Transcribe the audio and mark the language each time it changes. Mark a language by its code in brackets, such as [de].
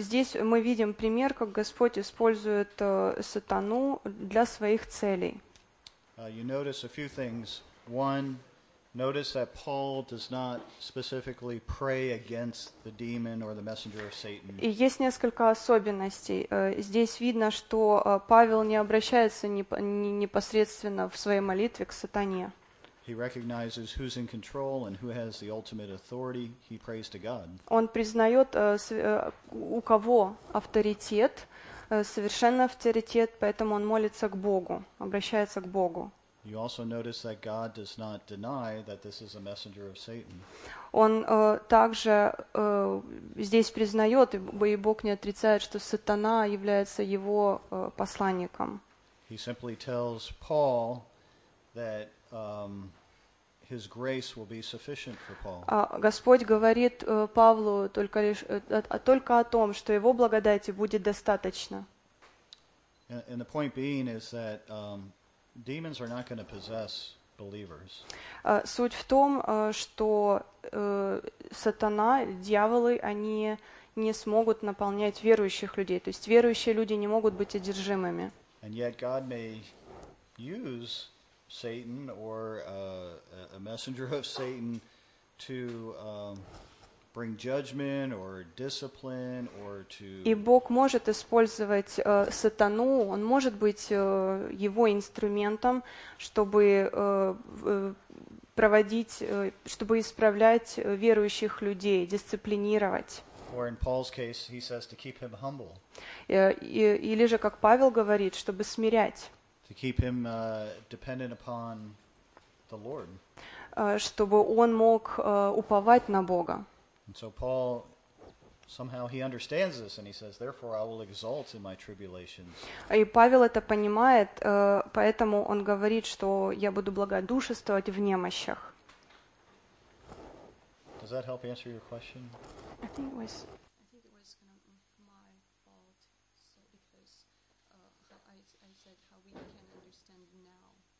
[ru] Здесь мы видим пример, как Господь использует сатану для своих целей. [en] You notice a few things. One, notice that Paul does not specifically pray against the demon or the messenger of Satan. [ru] И есть несколько особенностей. Здесь видно, что Павел не обращается непосредственно в своей молитве к сатане. [en] He recognizes who's in control and who has the ultimate authority. He prays to God. [ru] Он признает, у кого авторитет, совершенный авторитет, поэтому он молится к Богу, обращается к Богу. [en] You also notice that God does not deny that this is a messenger of Satan. [ru] Он также здесь признает, и Бог не отрицает, что сатана является его посланником. [en] He simply tells Paul that his grace will be sufficient for Paul. [ru] Господь говорит Павлу только о том, что его благодати будет достаточно. [en] And the point being is that demons are not going to possess believers. [ru] Суть в том, что сатана, дьяволы, они не смогут наполнять верующих людей. То есть верующие люди не могут быть одержимыми. [en] And yet God may use Satan or a messenger of Satan to bring judgment or discipline or to. [ru] И Бог может использовать сатану, он может быть его инструментом, чтобы проводить, чтобы исправлять верующих людей, дисциплинировать. [en] Or in Paul's case, he says to keep him humble. [ru] Или же, как Павел говорит, чтобы смирять. [en] To keep him dependent upon the Lord. [ru] Чтобы он мог уповать на Бога. [en] And so Paul, somehow he understands this, and he says, therefore I will exalt in my tribulations. [ru] И Павел это понимает, поэтому он говорит, что я буду благодушествовать в немощах. [en] Does that help answer your question? I think it was kind of my fault. So it was, I said how we can understand now.